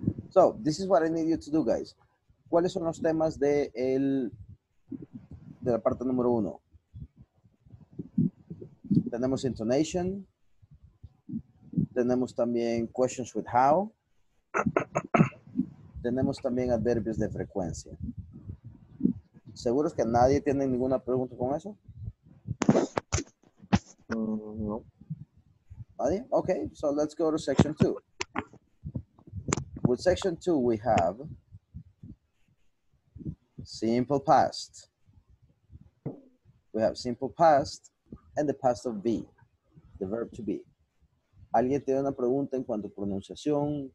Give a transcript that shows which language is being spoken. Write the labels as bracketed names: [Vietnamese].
[English] So, this is what I need you to do, guys. [Spanish] ¿Cuáles son los temas de el de la parte número uno? Tenemos intonation. Tenemos también questions with how. Tenemos también adverbios de frecuencia. ¿Seguros que nadie tiene ninguna pregunta con eso? No. ¿Nadie? [English] Okay, so let's go to section two. With section two, we have simple past. We have simple past and the past of be, the verb to be. [Spanish] ¿Alguien tiene una pregunta en cuanto a pronunciación?